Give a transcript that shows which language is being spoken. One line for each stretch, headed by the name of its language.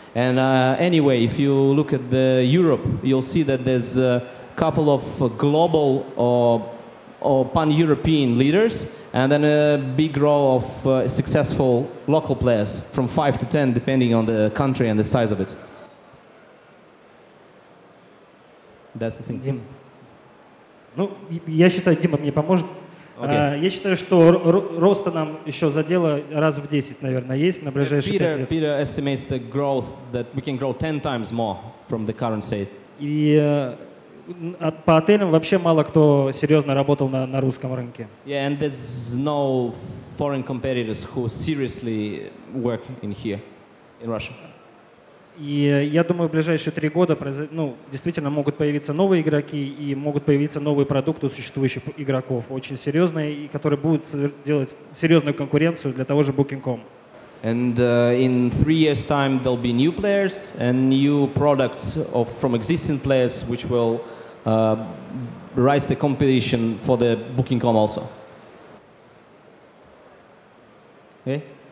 English: And anyway, if you look at the Europe, you'll see that there's a couple of global or pan-European leaders, and then a big row of successful local players from 5 to 10, depending on the country and the size of it. That's the thing.
Russian: Дим, ну, я считаю, Дима мне поможет.
English: Okay.
Russian: Я считаю, что роста нам еще за дело раз в 10, наверное, есть на ближайшие 5 лет.
English: Peter estimates the growth, that we can grow 10 times more from the current state.
Russian: И, по отелям вообще мало кто серьезно работал на русском рынке.
English: Yeah, and there's no foreign competitors who seriously work in here, in Russia.
Russian: И я думаю, в ближайшие 3 года ну, действительно могут появиться новые игроки и могут появиться новые продукты у существующих игроков, очень серьезные, и которые будут делать серьезную конкуренцию для того же Booking.com.
English: And in 3 years' time, there'll be new players and new products from existing players, which will rise the competition for the Booking.com also. Okay?